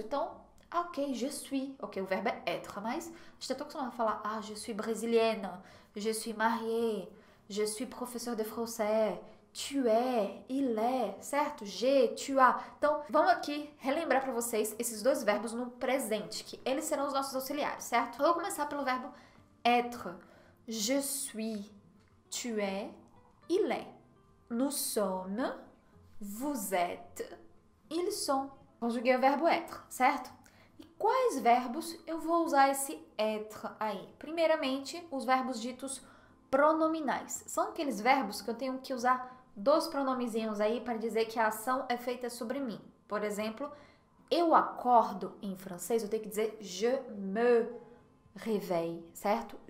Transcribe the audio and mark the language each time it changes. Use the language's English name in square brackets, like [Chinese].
[Portuguese] Então, ok, [French] je suis, [Portuguese] ok, o verbo é être, mas a gente tá tão acostumado a falar, ah, [French] je suis brésilienne, je suis mariée, je suis professeur de français, tu es, il est, [Portuguese] certo? [French] Je, tu as. [Portuguese] Então, vamos aqui relembrar pra vocês esses dois verbos no presente, que eles serão os nossos auxiliares, certo? Vou começar pelo verbo être. [French] Je suis, tu es, il est. Nous sommes, vous êtes, ils sont. [Portuguese] Conjuguei o verbo être, certo? E quais verbos eu vou usar esse être aí? Primeiramente, os verbos ditos pronominais. São aqueles verbos que eu tenho que usar dois pronomezinhos aí para dizer que a ação é feita sobre mim. Por exemplo, eu acordo em francês, eu tenho que dizer [French] je me réveille, [Portuguese] certo?